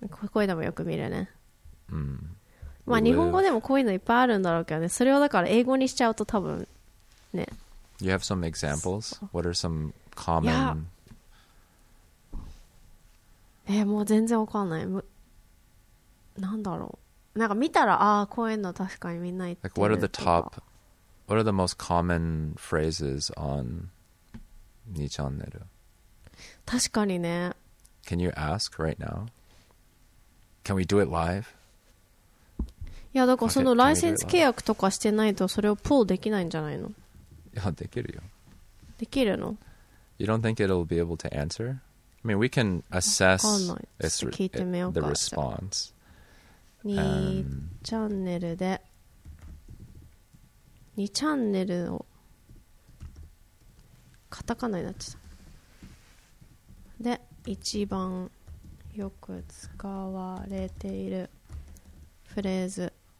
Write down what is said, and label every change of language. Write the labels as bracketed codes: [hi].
[ja] こういうのもよく見るね。まあ、日本語でもこういうのいっぱいあるんだろうけどね。それをだから英語にしちゃうと多分ね、 [en] You have some examples? What are some common... [ja] もう全然わかんない。なんだろう。なんか見たら、ああ、こういうの確かにみんな言ってる。 [en] Like, what are the top... What are the most common phrases on 2チャンネル? [ja] 確かにね。 [en] Can you ask right now? Can we do it live? [ja] いやだからそのライセンス契約とかしてないとそれをプールできないんじゃないの? いやできるよ。できるの? [en] You don't think it'll be able to answer? I mean, we can assess the response. [ja] 2チャンネルで2チャンネルをカタカナになっちゃった。で、一番よく使われているフレーズ